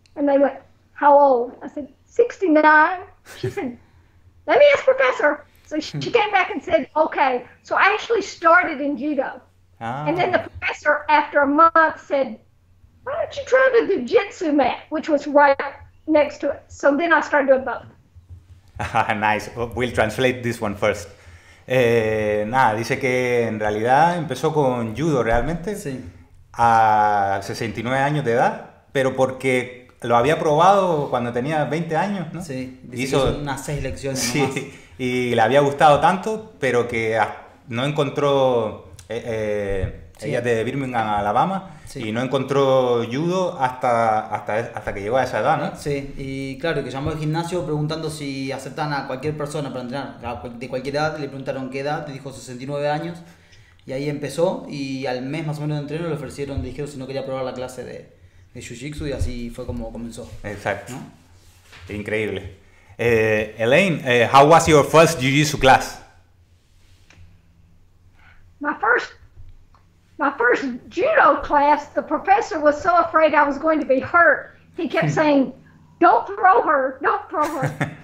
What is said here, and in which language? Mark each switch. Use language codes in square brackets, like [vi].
[en] And they went, how old? I said, 69. She said, let me ask professor. So she came back and said, okay. So I actually started in judo. And then the professor, after a month, said, why don't you try the jiu-jitsu mat, which was right next to it. So then I started doing both. Nice. We'll translate this one first. [es] Nada, dice que en realidad empezó con judo realmente. Sí. A 69 años de edad, pero porque lo había probado cuando tenía 20 años, ¿no? Sí, dice hizo unas 6 lecciones. Sí, nomás. Y le había gustado tanto, pero que no encontró. Sí. Ella es de Birmingham, Alabama, sí, y no encontró judo hasta que llegó a esa edad, ¿no? Sí, y claro, que llamó al gimnasio preguntando si aceptan a cualquier persona para entrenar, de cualquier edad. Le preguntaron qué edad, le dijo 69 años, y ahí empezó, y al mes más o menos de entreno le ofrecieron, le dijeron si no quería probar la clase de Jiu Jitsu, y así fue como comenzó. Exacto, ¿no? Increíble. [en] Elaine, how was your first Jiu Jitsu class? My first judo class, the professor was so afraid I was going to be hurt. He kept saying, don't throw her, don't throw her.